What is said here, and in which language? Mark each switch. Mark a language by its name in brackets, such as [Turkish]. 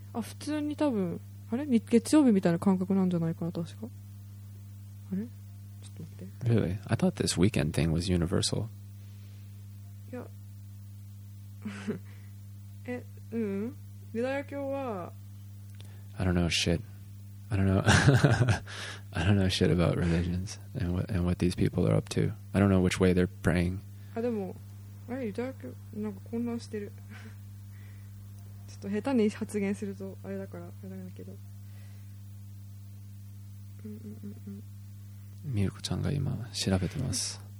[Japanese] あ普通に多分あれ月曜日みたいな感覚なんじゃないかな確かあれちょっと待って [English] Really? I thought this weekend thing was universal [Japanese] いやえ、うんユダヤ教は [English] I don't know shit. I don't know. I don't know shit about religions and what these people are up to. I don't know which way they're praying. [Japanese] あ、でも、あれ、ユダヤ教、なんか混乱してる。ちょっと下手に発言するとあれだから、あれだけど。ミルコちゃんが今調べてます。